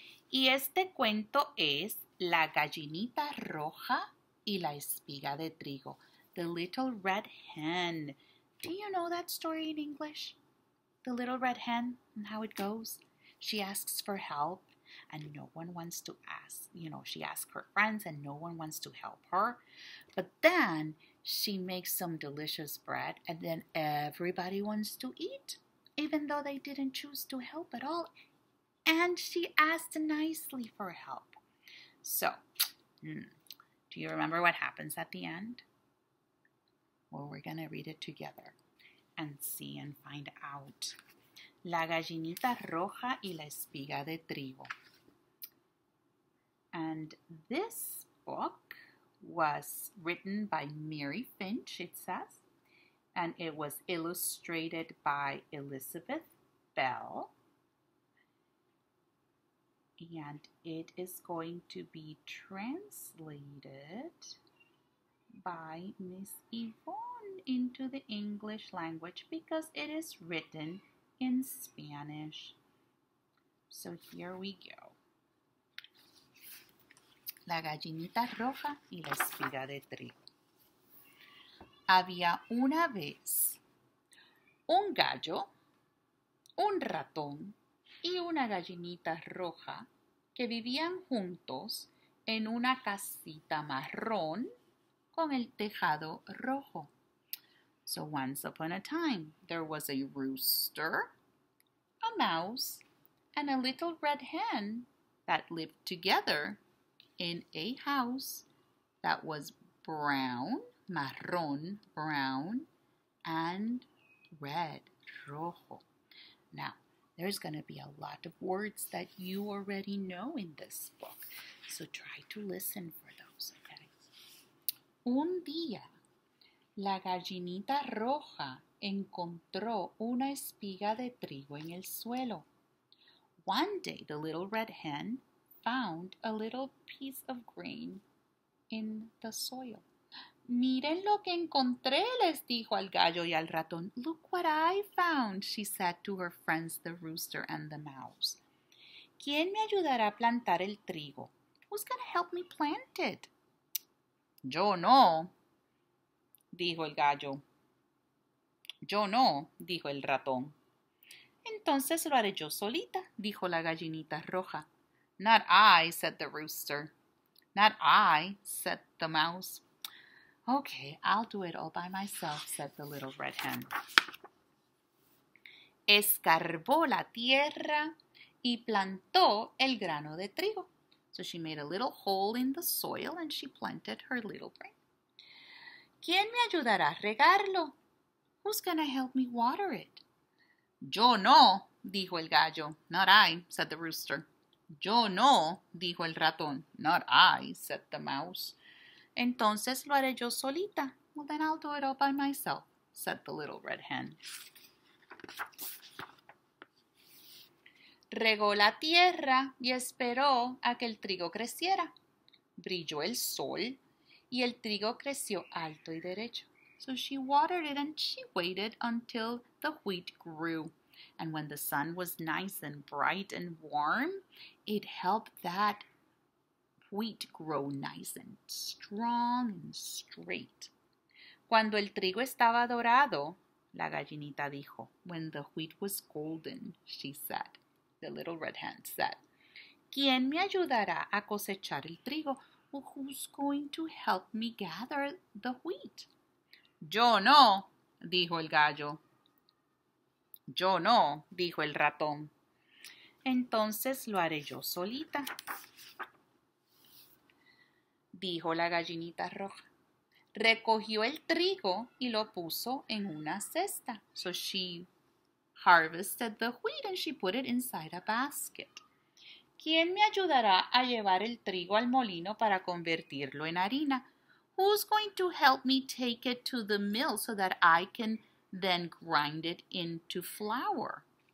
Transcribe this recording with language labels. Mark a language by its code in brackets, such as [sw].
[es] Y este cuento es La gallinita roja y la espiga de trigo. [en] The Little Red Hen. Do you know that story in English? The Little Red Hen and how it goes. She asks for help and no one wants to ask. You know, she asks her friends and no one wants to help her. But then she makes some delicious bread and then everybody wants to eat, even though they didn't choose to help at all. And she asked nicely for help. So, do you remember what happens at the end? Well, we're going to read it together and see and find out. [es] La gallinita roja y la espiga de trigo. [en] And this book was written by Mary Finch, it says, and it was illustrated by Elizabeth Bell. And it is going to be translated by Miss Yvonne into the English language because it is written in Spanish. So here we go. [es] La gallinita roja y la espiga de trigo. Había una vez un gallo, un ratón y una gallinita roja que vivían juntos en una casita marrón con el tejado rojo. [en] So once upon a time, there was a rooster, a mouse, and a little red hen that lived together in a house that was brown, marrón, brown, and red, rojo. Now, there's going to be a lot of words that you already know in this book, so try to listen for those, okay? [es] Un día, la gallinita roja encontró una espiga de trigo en el suelo. [en] One day, the little red hen found a little piece of grain in the soil. [es] Miren lo que encontré, les dijo al gallo y al ratón. [en] Look what I found, she said to her friends, the rooster and the mouse. [es] ¿Quién me ayudará a plantar el trigo? [en] Who's going to help me plant it? [es] Yo no, dijo el gallo. Yo no, dijo el ratón. Entonces lo haré yo solita, dijo la gallinita roja. [en] Not I, said the rooster. Not I, said the mouse. Okay, I'll do it all by myself, said the little red hen. [es] Escarbó la tierra y plantó el grano de trigo. [en] So she made a little hole in the soil and she planted her little grain. [es] ¿Quién me ayudará a regarlo? [en] Who's gonna help me water it? [es] Yo no, dijo el gallo. [en] Not I, said the rooster. [es] Yo no, dijo el ratón. [en] Not I, said the mouse. [es] Entonces lo haré yo solita. [en] Well, then I'll do it all by myself, said the little red hen. [es] Regó la tierra y esperó a que el trigo creciera. Brilló el sol y el trigo creció alto y derecho. [en] So she watered it and she waited until the wheat grew. And when the sun was nice and bright and warm, it helped that wheat grow nice and strong and straight. [es] Cuando el trigo estaba dorado, la gallinita dijo. [en] When the wheat was golden, she said. The little red hen said. [es] ¿Quién me ayudará a cosechar el trigo? [en] Well, who's going to help me gather the wheat? [es] Yo no, dijo el gallo. Yo no, dijo el ratón. Entonces lo haré yo solita, dijo la gallinita roja. Recogió el trigo y lo puso en una cesta. [en] So she harvested the wheat and she put it inside a basket. [es] ¿Quién me ayudará a llevar el trigo al molino para convertirlo en harina? [en] Who's going to help me take it to the mill so that I can then grind it into flour?